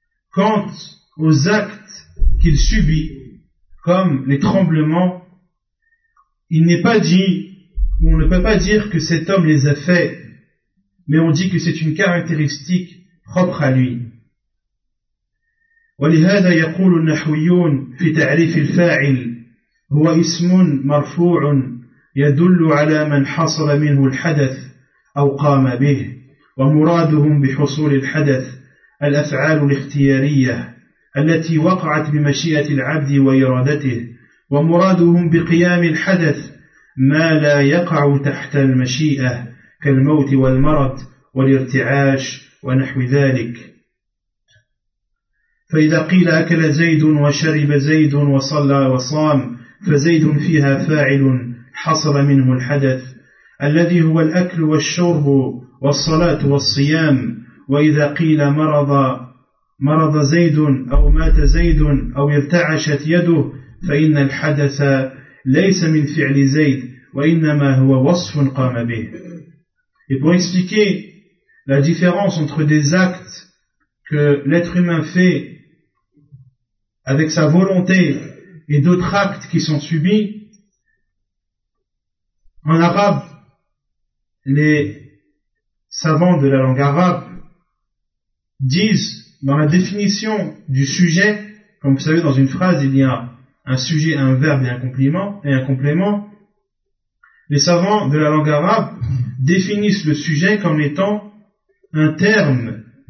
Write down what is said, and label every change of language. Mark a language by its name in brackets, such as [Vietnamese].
[French] Quant aux actes qu'il subit, comme les tremblements, il n'est pas dit, ou on ne peut pas dire que cet homme les a faits, mais on dit que c'est une caractéristique propre à lui. [Arabic] ولهذا يقول النحويون في تعريف الفاعل هو اسم مرفوع يدل على من حصل منه الحدث أو قام به ومرادهم بحصول الحدث الأفعال الاختيارية التي وقعت بمشيئة العبد وإرادته ومرادهم بقيام الحدث ما لا يقع تحت المشيئة كالموت والمرض والارتعاش ونحو ذلك فإذا قيل أكل زيد وشرب زيد وصلى وصام فزيد فيها فاعل حصل منه الحدث الذي هو الأكل والشرب والصلاة والصيام وإذا قيل مرض زيد أو مات زيد أو ارتعشت يده فإن الحدث ليس من فعل زيد وإنما هو وصف قام به. [French] Et pour expliquer la différence entre des actes que l'être humain fait avec sa volonté et d'autres actes qui sont subis, en arabe, les savants de la langue arabe disent dans la définition du sujet, comme vous savez dans une phrase il y a un sujet, un verbe et un complément, les savants de la langue arabe définissent le sujet comme étant un terme.